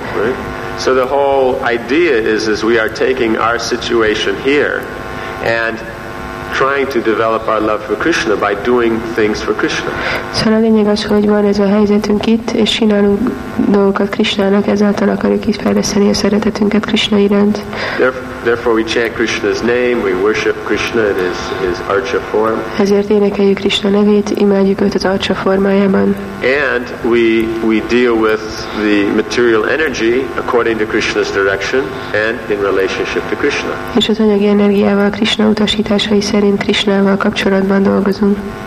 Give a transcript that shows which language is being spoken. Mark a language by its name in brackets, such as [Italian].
[English] Right? So the whole idea is we are taking our situation here and trying to develop our love for Krishna by doing things for Krishna. [Hungarian] Szóval a lényeg az, hogy van ez a helyzetünk itt, és csinálunk dolgokat Krishnának, ezáltal akarjuk így fejleszteni a szeretetünket Krishna iránt. [English] Therefore we chant Krishna's name, we worship Krishna in his archa form. [Hungarian] Ezért énekeljük Krishna nevét, imádjuk őt az archa formájában. [English] And we deal with the material energy according to Krishna's direction and in relationship to Krishna. [Hungarian] És az anyagi energiával, Krishna utasításai szerint Krishnával kapcsolatban dolgozunk.